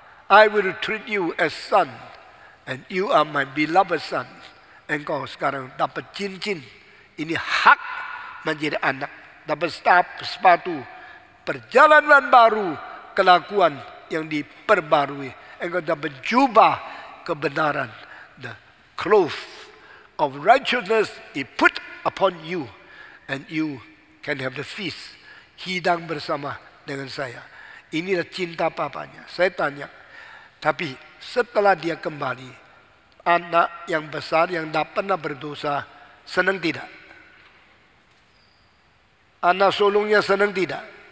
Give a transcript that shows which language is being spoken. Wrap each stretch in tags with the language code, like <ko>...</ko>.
<en>I will treat you as son. And you are my beloved son.</en> <id>Engkau sekarang dapat cincin. Ini hak menjadi anak. Dapat sepatu. Perjalanan baru, kelakuan yang diperbarui. Engkau dapat jubah kebenaran.</id> <en>The cloth of righteousness is put upon you. And you can have the feast.</en> <id>Hidang bersama dengan saya. Inilah cinta papanya. Saya tanya. Tapi setelah dia kembali, anak yang besar yang tak pernah berdosa, senang tidak? Anak sulungnya senang tidak?</id>